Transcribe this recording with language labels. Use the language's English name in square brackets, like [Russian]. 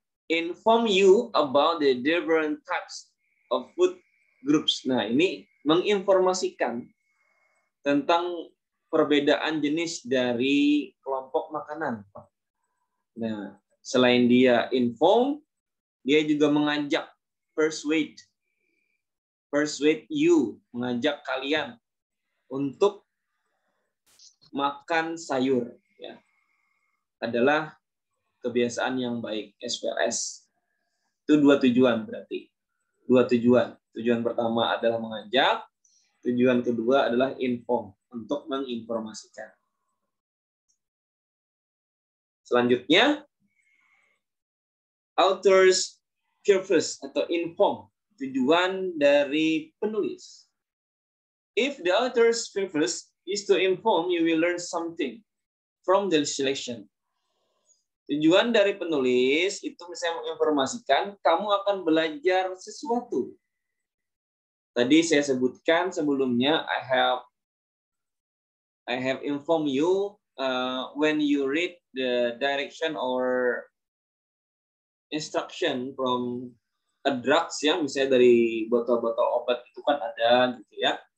[English] inform you about the different types of food groups. [Indonesian] Nah, ini menginformasikan tentang perbedaan jenis dari kelompok makanan. Nah, selain dia inform, dia juga mengajak, [English] persuade you, [Indonesian] mengajak kalian untuk makan sayur, ya, adalah kebiasaan yang baik, SPLS. Itu dua tujuan berarti. Dua tujuan. Tujuan pertama adalah mengajak, tujuan kedua adalah inform, untuk menginformasikan. Selanjutnya, author's purpose atau inform, tujuan dari penulis. [English] If the author's purpose is to inform, you will learn something from the selection. [Indonesian] Tujuan dari penulis itu misalnya menginformasikan, kamu akan belajar sesuatu. Tadi saya sebutkan sebelumnya, [English] I have informed you when you read the direction or instruction from a drugs, [Indonesian] ya, misalnya dari botol-botol obat itu kan ada, gitu ya.